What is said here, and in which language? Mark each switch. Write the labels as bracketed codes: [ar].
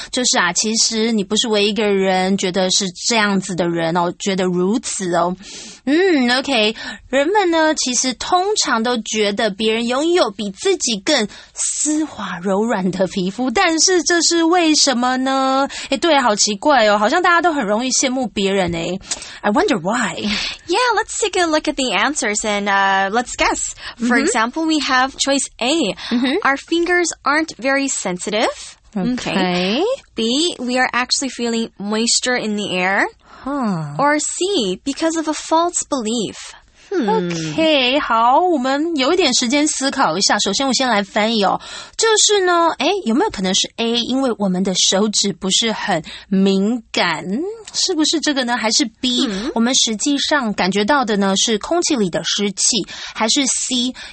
[zh] 就是啊,其实你不是唯一一个人觉得是这样子的人哦,觉得如此哦. [en] Okay. [zh] 人们呢,其实通常都觉得别人拥有比自己更丝滑柔软的皮肤,但是这是为什么呢? 诶,对,好奇怪哦,好像大家都很容易羡慕 别人诶, [en] I wonder why. Yeah, let's take a look at the answers and let's guess. For example, we have choice A. Our fingers aren't very sensitive. Okay. B, we are actually feeling moisture in the air. Huh. Or C, because of a false belief. [zh] Okay, 好,我们有一点时间思考一下,首先我先来翻译哦,就是呢,诶,有没有可能是A,因为我们的手指不是很敏感,是不是这个呢,还是B, 我们实际上感觉到的呢,是空气里的湿气,还是C,